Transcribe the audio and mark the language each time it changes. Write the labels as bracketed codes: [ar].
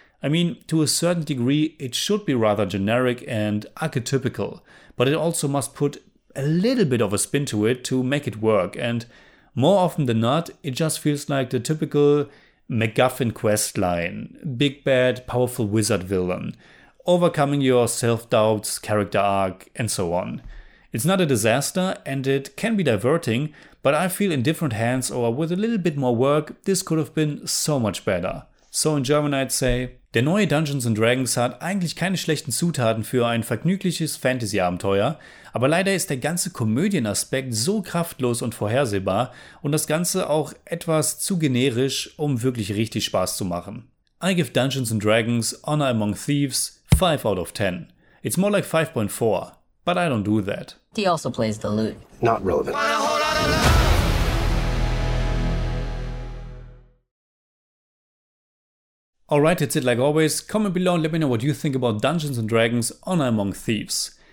[en] I mean, to a certain degree, it should be rather generic and archetypical, but it also must put a little bit of a spin to it to make it work, and more often than not, it just feels like the typical MacGuffin questline, big bad, powerful wizard villain, overcoming your self-doubts, character arc, and so on. It's not a disaster, and it can be diverting, but I feel in different hands or with a little bit more work, this could have been so much better. So in German I'd say, [de] der neue Dungeons & Dragons hat eigentlich keine schlechten Zutaten für ein vergnügliches Fantasy-Abenteuer, aber leider ist der ganze Komödienaspekt so kraftlos und vorhersehbar und das Ganze auch etwas zu generisch, um wirklich richtig Spaß zu machen. [en] I give Dungeons & Dragons Honor Among Thieves 5 out of 10. It's more like 5.4, but I don't do that. He also plays the lute. Not relevant. Alright, that's it like always. Comment below and let me know what you think about Dungeons & Dragons Honor Among Thieves.